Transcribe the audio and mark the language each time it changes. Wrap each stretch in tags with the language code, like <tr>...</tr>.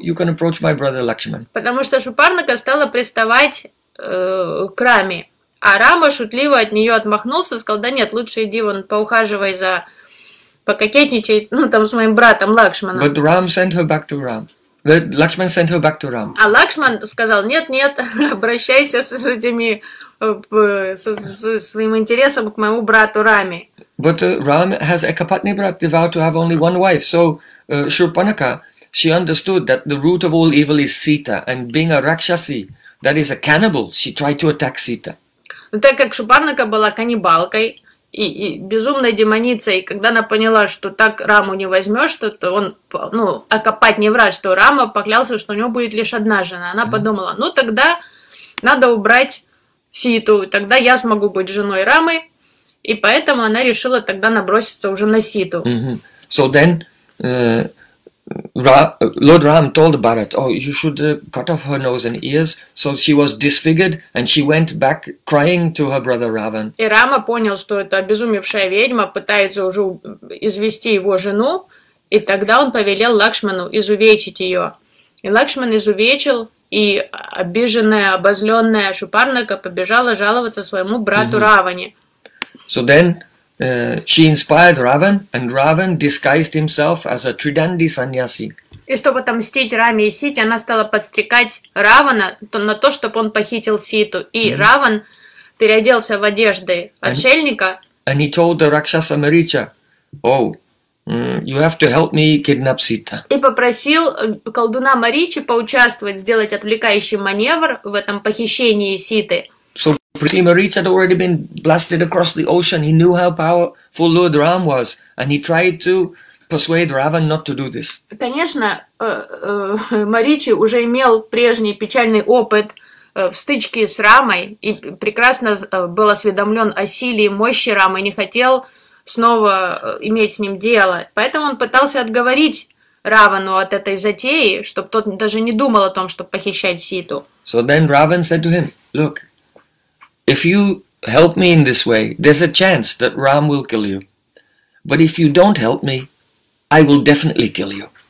<en>You can approach my brother Lakshman."</en> <ru>Потому что Шупарнака стала приставать к Раме. А Рама шутливо от нее отмахнулся, сказал, да нет, лучше иди вон поухаживай за, пококетничай, ну там с моим братом Лакшманом.</ru> <en>But Ram sent her back to Ram. But Lakshman sent her back to Ram. А Лакшман сказал, нет, обращайся с этими, со своим интересом к моему брату Раме. But Ram has Ekapatni Brat, the vow to have only one wife. So Shurpanaka, she understood that the root of all evil is Sita. And being a Rakshasi, that is a cannibal, she tried to attack Sita.</en> <ru>Но так как Шупарнака была каннибалкой и безумной демоницей, и когда она поняла, что так Раму не возьмешь, то он, ну, окопать не врать, что Рама поклялся, что у него будет лишь одна жена. Она подумала, ну тогда надо убрать Ситу, тогда я смогу быть женой Рамы. И поэтому она решила тогда наброситься уже на Ситу.</ru> <en>So then, Lord Ram told Bharat, "Oh, you should cut off her nose and ears." So she was disfigured, and she went back crying to her brother Ravan.</en> <ru>И Рама понял, что это обезумевшая ведьма пытается уже извести его жену, и тогда он повелел Лакшману изувечить ее. И Лакшман изувечил, и обиженная, обозленная Шупарнака побежала жаловаться своему брату Раване.</ru> <en>So then. She inspired Ravan, and Ravan disguised himself as a Tridandi sannyasi.</en> <ru>И чтобы отомстить Раме и Сите, она стала подстрекать Равана на то, чтобы он похитил Ситу. И Раван переоделся в одежды отшельника.</ru> <en>And he told the Rakshasa Maricha, "Oh, you have to help me kidnap Sita."</en> <ru>И попросил колдуна Маричи поучаствовать, сделать отвлекающий маневр в этом похищении Ситы.</ru> <en>Prem Maharaj had already been blasted across the ocean. He knew how powerful Lord Ram was, and he tried to persuade Ravan not to do this.</en> <ru>Конечно, Маричи уже имел прежний печальный опыт в стычке с Рамой и прекрасно был осведомлен о силе и мощи Рамы, не хотел снова иметь с ним дело. Поэтому он пытался отговорить Равану от этой затеи, чтобы тот даже не думал о том, чтобы похищать Ситу.</ru> <en>So then Ravan said to him, "Look, if you help me in this way, there's a chance that Ram will kill you. But if you don't help me, I will definitely kill you."</en>